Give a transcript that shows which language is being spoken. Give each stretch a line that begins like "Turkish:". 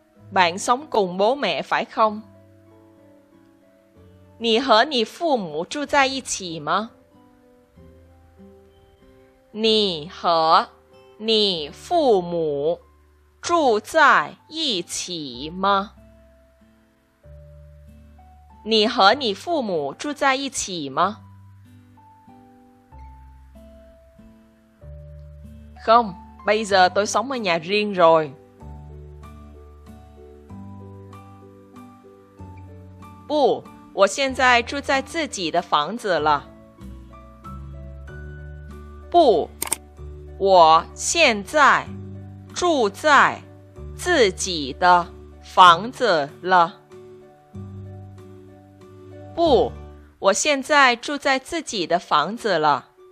Vietnamese: Bạn sống cùng bố mẹ phải không?
Chinese: 你和你父母住在一起吗? 你和你父母住在一起吗? 你和你父母住在一起吗?
Vietnamese: Không, bây giờ tôi sống ở nhà riêng rồi.
Chinese: Bù, 我现在住在自己的房子了. 不, 我现在住在自己的房子了。不, 我现在住在自己的房子了。